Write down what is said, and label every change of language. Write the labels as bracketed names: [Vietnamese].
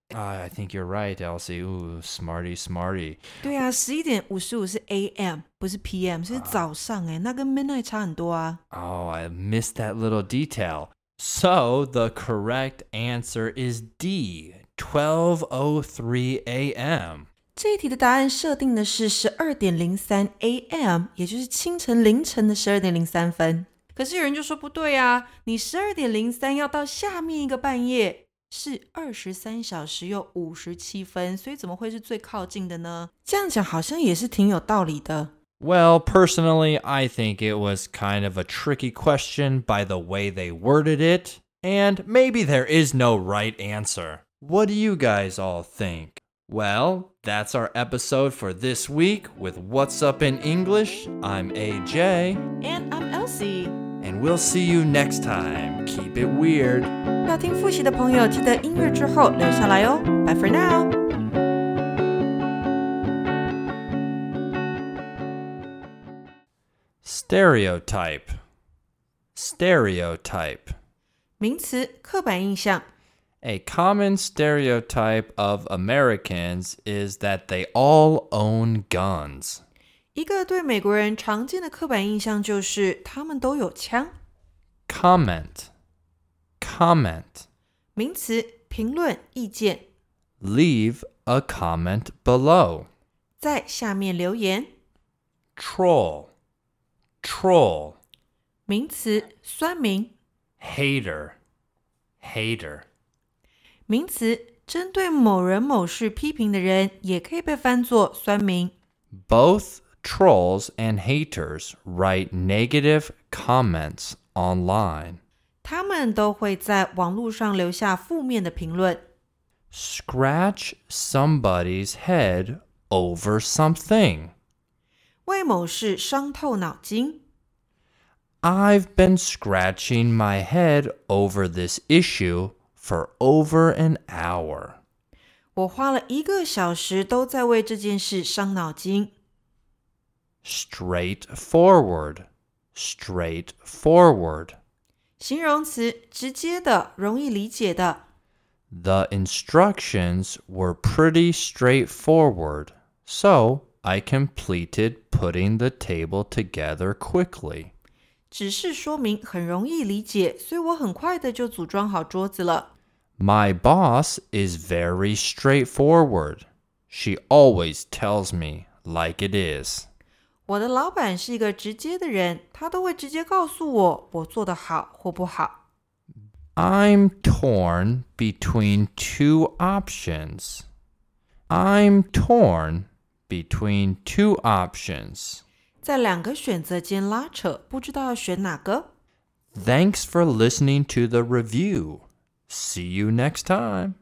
[English] I think you're right, Elsie. Ooh, smarty, smarty. [Chinese] 对啊 ,11:55 是 a.m., 不是 p.m., 是早上耶、那跟 midnight 差很多啊。 [English] Oh, I missed that little detail. So, the correct answer is D, 12:03 a.m. [Chinese] 这一题的答案设定的是12:03 a.m. 也就是清晨凌晨的12:03。可是有人就说不对啊，你12:03要到下面一个半夜是23:57，所以怎么会是最靠近的呢？这样讲好像也是挺有道理的。 [English] Well, personally, I think it was kind of a tricky question by the way they worded it, and maybe there is no right answer. What do you guys all think? Well, that's our episode for this week with What's Up in English. I'm AJ. And I'm Elsie. And we'll see you next time. Keep it weird. [Chinese] 要听复习的朋友记得音乐之后留下来哦。 [English] Bye for now. Stereotype. Stereotype. [Chinese] 名词刻板印象。 [English] A common stereotype of Americans is that they all own guns. [Chinese] 一个对美国人常见的刻板印象就是他们都有枪。 [English] Comment. Comment. [Chinese] 名词评论意见。 [English] Leave a comment below. [Chinese] 在下面留言。 [English] Troll. Troll. [Chinese] 名词酸民。 [English] Hater. Hater. [Chinese] 名词针对某人某事批评的人也可以被翻作酸民。 [English] Both trolls and haters write negative comments online. [Chinese] 他们都会在网络上留下负面的评论。 [English] Scratch somebody's head over something. [Chinese] 为某事伤透脑筋。 [English] I've been scratching my head over this issue. For over an hour. [Chinese] 我花了一个小时都在为这件事伤脑筋。 [English] Straightforward. Straightforward. [Chinese] 形容词直接的容易理解的。 [English] The instructions were pretty straightforward, so I completed putting the table together quickly. [Chinese] 指示说明很容易理解，所以我很快的就组装好桌子了。 [English] My boss is very straightforward. She always tells me like it is. [Chinese] 我的老板是一个直接的人，他都会直接告诉我我做得好或不好。 [English] I'm torn between two options. I'm torn between two options. [Chinese] 在两个选择间拉扯，不知道要选哪个。 [English] Thanks for listening to the review.See you next time.